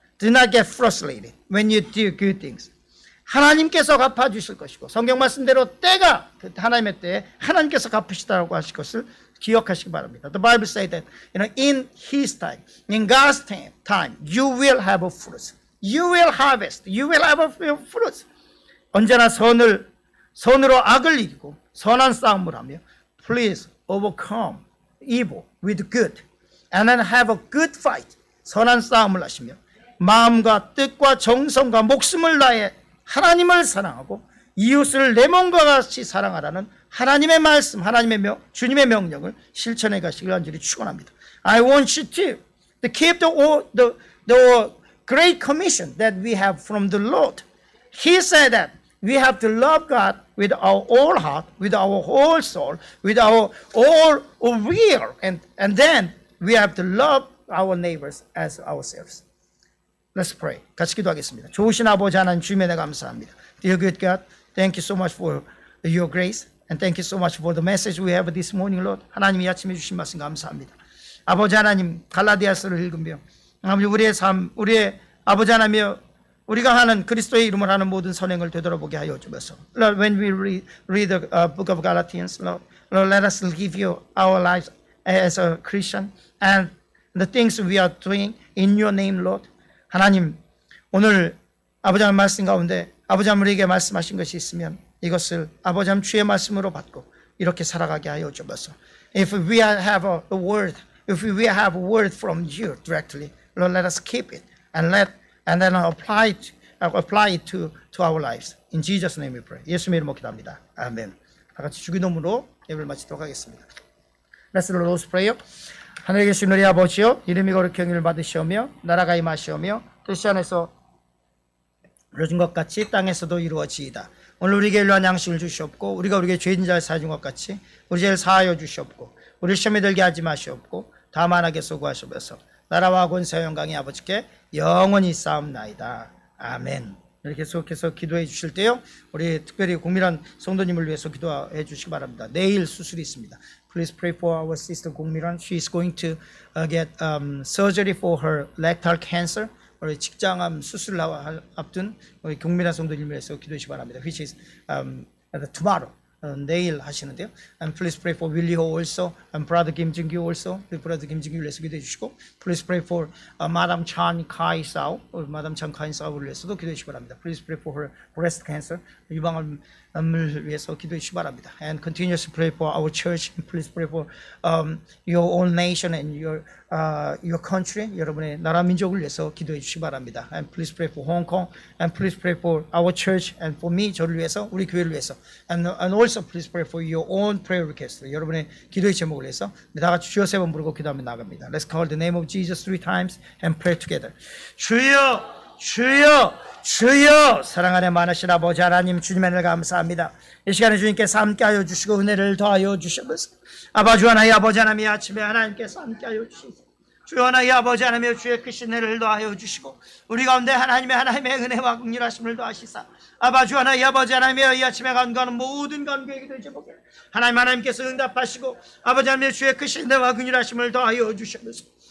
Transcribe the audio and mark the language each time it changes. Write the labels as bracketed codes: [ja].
[en] Do not get frustrated when you do good things. [ko] 하나님께서 갚아주실 것이고 성경 말씀대로 때가 하나님의 때에 하나님께서 갚으시다고 하실 것을 기억하시기 바랍니다. [en] The Bible says that you know, in His time, in God's time, you will have a fruit. You will harvest. You will have a fruit. [ko] 언제나 선으로 악을 이기고 선한 싸움을 하며 [en] Please overcome evil with good and then have a good fight. [ko] 선한 싸움을 하시며 마음과 뜻과 정성과 목숨을 다해 하나님을 사랑하고 이웃을 내 몸과 같이 사랑하라는 하나님의 말씀, 하나님의 주님의 명령을 실천해 가시길 간절히 축원합니다. [en] I want you to keep the great commission that we have from the Lord. He said that we have to love God with our whole heart, with our whole soul, with our all will, and then we have to love our neighbors as ourselves. Let's pray. [ko] 같이 기도하겠습니다. 좋으신 아버지 하나님 주님에 내 감사합니다. [en] Dear good God, thank you so much for your grace and thank you so much for the message we have this morning, Lord. [ko] 하나님 이 아침에 주신 말씀 감사합니다. 아버지 하나님 갈라디아서를 읽으며 아버지 우리의 삶, 우리의 아버지 하나님이여 우리가 하는 그리스도의 이름을 하는 모든 선행을 되돌아보게 하여 주소서. [en] Lord, when we read the book of Galatians, Lord, let us give you our lives as a Christian and the things we are doing in your name, Lord. [ko] 하나님 오늘 아버지의 말씀 가운데 아버지 우리에게 말씀하신 것이 있으면 이것을 아버지 주의 말씀으로 받고 이렇게 살아가게 하여 주옵소서. [en] If we have a word, if we have a word from you directly, Lord, let us keep it and let and then apply it to our lives. In Jesus' name we pray. [ko] 예수님의 이름으로 기도합니다. 아멘. 다 같이 주기도문으로 예배를 마치도록 하겠습니다. [en] Let's the Lord's prayer. [ko] 하늘에 계신 우리 아버지여 이름이 거룩히 영광을 받으시오며 나라가 임하시오며 뜻이 안에서 이루어진 것 같이 땅에서도 이루어지이다. 오늘 우리에게 일용한 양식을 주시옵고 우리가 우리에게 죄인 자를 사해준 것 같이 우리 죄를 사하여 주시옵고 우리를 시험에 들게 하지 마시옵고 다만 악에 소구하시옵소서. 나라와 권세와 영광이 아버지께 영원히 쌓옵나이다. 아멘. 이렇게 계속해서 기도해 주실 때요 우리 특별히 국민한 성도님을 위해서 기도해 주시기 바랍니다. 내일 수술이 있습니다. [en] Please pray for our sister 공미란. She is going to get surgery for her rectal cancer. [ko] 우리 직장암 수술 나와 앞둔 우리 공미란 성도님을 위해서 기도하시기 바랍니다. [en] Which is tomorrow, [ko] 내일 하시는데요. [en] And please pray for Willie Ho also and Brother Kim Jung-gyu also. Brother Kim Jung-gyu [ko] 위해서 기도해 주시고, [en] please pray for Madam Chan Kai-sao. [ko] Madam Chan Kai-sao를 위해서도 기도하시기 바랍니다. [en] Please pray for her breast cancer 유방암. [ko] 을 위해서 기도해 주시기 바랍니다. [en] And continuously pray for our church. Please pray for your own nation and your country. [ko] 여러분의 나라 민족을 위해서 기도해 주시기 바랍니다. [en] And please pray for Hong Kong. And please pray for our church and for me. [ko] 저를 위해서 우리 교회를 위해서. [en] And also please pray for your own prayer request. [ko] 여러분의 기도의 제목을 위해서 다 같이 주여 세 번 부르고 기도하며 나갑니다. [en] Let's call the name of Jesus three times and pray together. [ko] 주여 주여 주여 사랑하네 많으신 아버지 하나님 주님의 은혜 감사합니다. 이 시간에 주님께서 함께 하여 주시고 은혜를 더하여 주시옵소서. 아버지 하나님 아버지 하나님 아침에 하나님께서 함께 하여 주시옵소서. 주여 하나님 아버지 하나님 주의 크신 은혜를 더하여 주시고 우리 가운데 하나님의 은혜와 긍휼하심을 더하시사 아버지 하나님 아버지 하나님 이 아침에 간구하는 모든 간구의 기도 제목에 하나님께서 응답하시고 아버지 하나님 주의 크신 은혜와 긍휼하심을 더하여 주시옵소서.